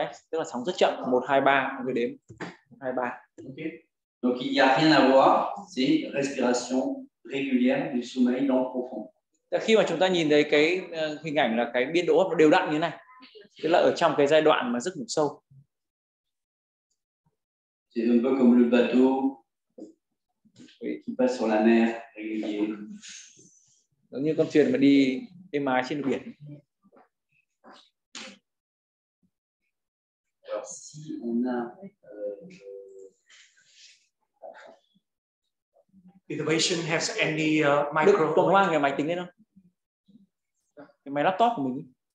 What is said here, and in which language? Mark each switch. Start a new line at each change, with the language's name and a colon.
Vietnamese: Tức là sóng rất chậm, 1 2 3 người đếm. 1 2 3. Okay.
French: Donc il y a rien à voir, c'est respiration régulière du sommeil lent profond.
Vietnamese: Khi mà chúng ta nhìn thấy cái hình ảnh là cái biên độ hô hấp đều đặn như này. Tức là ở trong cái giai đoạn mà giấc ngủ sâu.
French: C'est un peu comme le bateau qui passe sur la mer régulier.
Vietnamese: Giống như con thuyền mà đi êm ái trên biển.
French: Si on a
English: Did the patient has any micro?
Vietnamese: Tuần qua người máy tính lên không? Cái máy laptop của mình.